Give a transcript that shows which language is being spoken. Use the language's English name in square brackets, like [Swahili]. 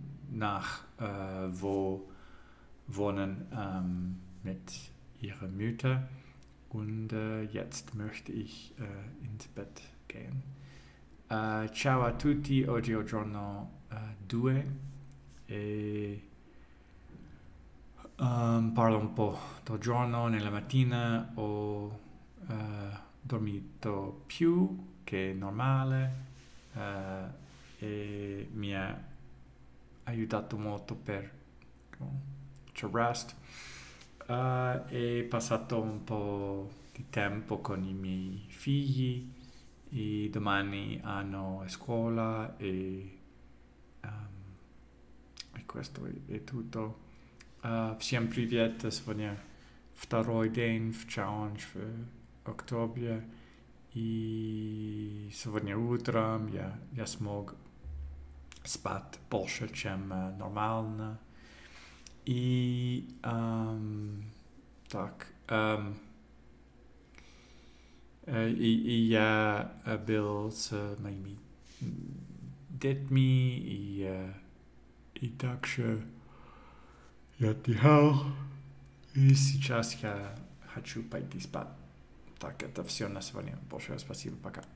[German] nach wo wohnen mit ihrer Mutter und jetzt möchte ich ins Bett gehen. [Italian] Ciao a tutti, oggi è giorno 2 e parlo un po' del giorno. Nella mattina ho dormito più che normale e mi ha aiutato molto per [English] to rest. [Italian] E passato un po' di tempo con i miei figli e domani hanno scuola e questo è tutto. [Russian] Всем привет, сегодня второй день в challenge в октябре и сегодня утром я смог спать больше, чем нормально. И и я был с моими детьми и также я отдыхал и сейчас я хочу пойти спать. Так, это все на сегодня. Большое спасибо, пока.